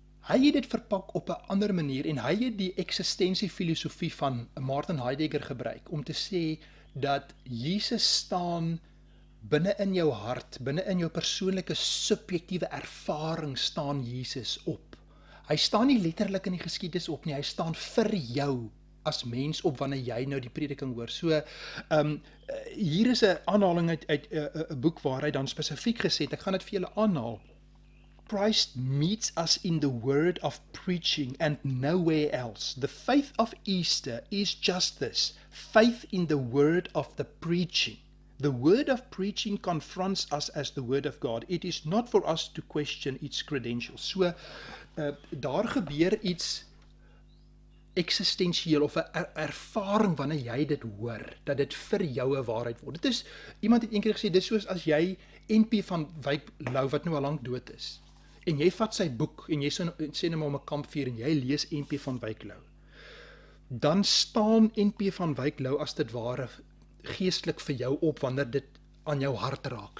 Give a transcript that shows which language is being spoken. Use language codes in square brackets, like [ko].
[af] Hy het dit verpak op 'n ander manier en hy het die eksistensiefilosofie van Martin Heidegger gebruik om te sê dat Jesus staan binne in jou hart, binne in jou persoonlike subjektiewe ervaring staan Jesus op. Hy staan nie letterlik in die geskiedenis op nie, hy staan vir jou as mens op wanneer jy nou die prediking hoor. So, hier is 'n aanhaling uit 'n boek waar hy dan spesifiek gesê het, ek gaan dit vir julle aanhaal. [en] Christ meets us in the word of preaching and nowhere else. The faith of Easter is just this, faith in the word of the preaching. The word of preaching confronts us as the word of God. It is not for us to question its credentials. [af] So, daar gebeur iets existentieel of 'n ervaring wanneer jy dit hoor, dat dit vir jou 'n waarheid word. Dit is, iemand het een keer gesê, dit is soos as jy NP van Wyk Lou, wat nou al lang dood is, en jy vat sy boek, en jy sê nou maar om 'n kampvuur, en jy lees NP van Wyk Lou, dan staan NP van Wyk Lou as dit ware geestelik vir jou op, wanneer dit aan jou hart raak.